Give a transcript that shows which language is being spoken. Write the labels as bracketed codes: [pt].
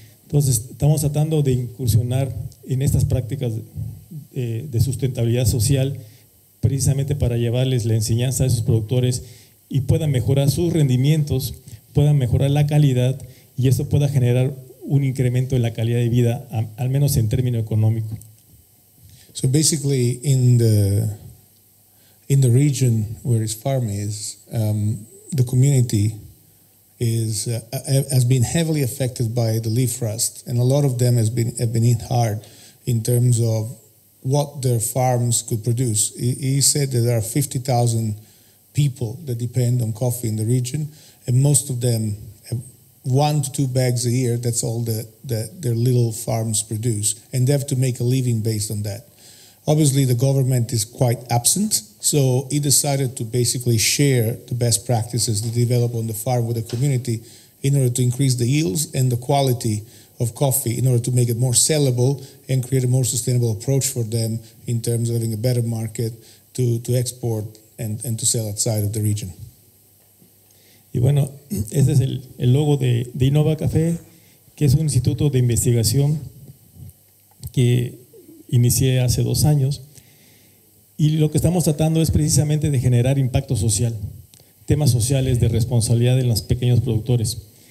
[es] Entonces, estamos tratando de incursionar en estas prácticas de sustentabilidad social precisamente para llevarles la enseñanza a esos productores y puedan mejorar sus rendimientos, puedan mejorar la calidad y eso pueda generar un incremento en la calidad de vida, al menos en término económico. [en] So basically in the region where his farm is, the community is has been heavily affected by the leaf rust, and a lot of them have been hit hard in terms of what their farms could produce. He said that there are 50,000 people that depend on coffee in the region, and most of them have 1 to 2 bags a year. That's all that their little farms produce, and they have to make a living based on that. Obviously, the government is quite absent, so he decided to basically share the best practices to develop on the farm with the community in order to increase the yields and the quality of coffee in order to make it more sellable and create a more sustainable approach for them in terms of having a better market to export and to sell outside of the region. [es] Y bueno, este es el logo de Innova Café, que es un instituto de investigación que inicié hace 2 años. Y lo que estamos tratando es precisamente de generar impacto social, temas sociales de responsabilidad en los pequeños productores.